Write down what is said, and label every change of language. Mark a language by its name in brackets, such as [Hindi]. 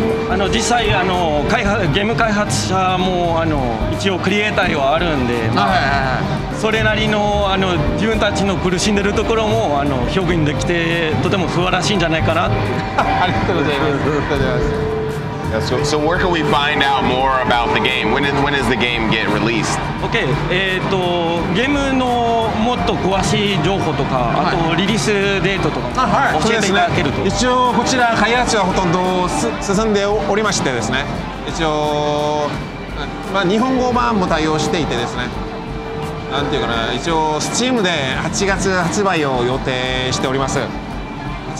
[Japanese] あの、実際、あの、開発、ゲーム開発者も、あの、一応クリエイターはあるんで、まあ。それなり の, あの自分たちの苦しんでるところもあの表現できてとても素晴らしいんじゃないかなありがとうございます [English] yeah, so where can we find out more about the game? When is the game get released? [Japanese] OK、ゲームのもっと詳しい情報とか、はい、あとリリースデートとか、はい、教えていただけると、ね、一応こちら開発はほとんど進んでおりましてですね、一応、まあ、日本語版も対応していてですね、なんていうかな、一応 Steam で8月発売を予定しております。8